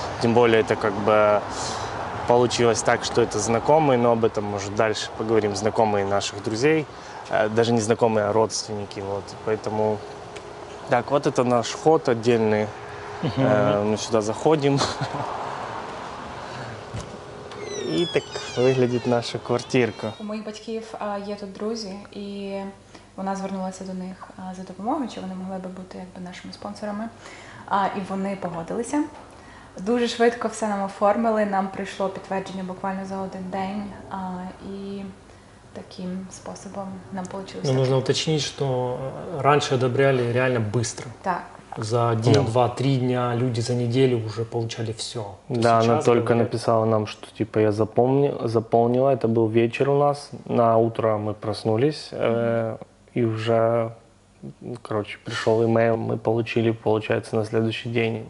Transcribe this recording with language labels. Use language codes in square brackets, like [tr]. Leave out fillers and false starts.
[ru] Тем более это как бы получилось так, что это знакомые, но об этом, может, дальше поговорим, знакомые наших друзей, даже не знакомые, а родственники. Вот. Поэтому так, вот это наш ход отдельный. Мы сюда заходим. И так выглядит наша квартирка. [uk] У моих батьків є тут друзі, і вона звернулася до них за допомогою, чи вони могли би бути якби нашими спонсорами. І вони погодилися. Дуже швидко все нам оформили, нам прийшло підтвердження буквально за один день. І таким способом нам вийшло. Ну, можна уточнити, що раніше одобряли реально швидко. Так. [ru] За один, два, три дня люди за неделю уже получали все. Да, она только написала нам, что типа я заполнила. Это был вечер у нас. На утро мы проснулись. И уже, короче, пришел имейл, мы получили, получается, на следующий день.